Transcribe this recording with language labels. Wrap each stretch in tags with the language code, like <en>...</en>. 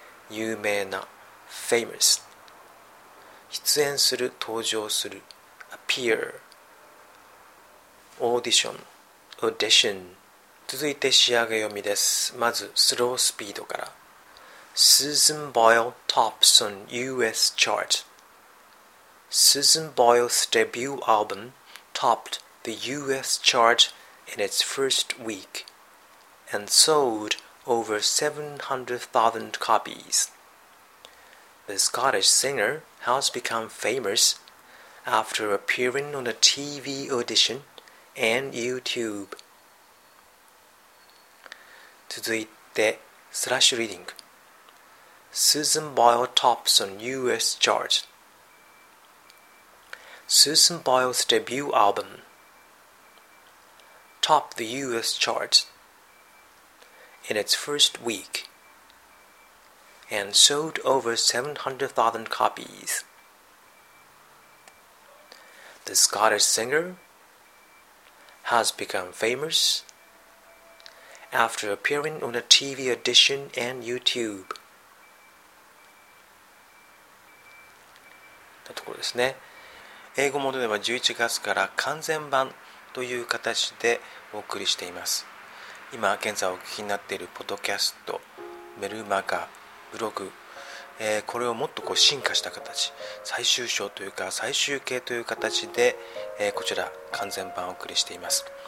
<ja>有名な、famous、出演する、登場する、appear、オーディション、オーディション、続いて仕上げ読みです。まずスロースピードから。</ja> <en>Susan Boyle tops on US chart. Susan Boyle's debut album topped the US chart in its first week and sold over 700,000 copies. The Scottish singer has become famous after appearing on a TV audition and YouTube.</en> <ja>続いて、スラッシュリーディング。</ja> <en>Susan Boyle tops on US chart. Susan Boyle's debut album topped the US chart in its first week and sold over 700,000 copies. The Scottish singer has become famousAfter appearing on a TV audition and YouTube.</en> <ja>なところですね。英語モードでは11月から完全版という形でお送りしています。今現在お聞きになっているポッドキャスト、メルマガ、ブログ、これをもっとこう進化した形、最終章というか最終形という形で、こちら完全版をお送りしています。</ja>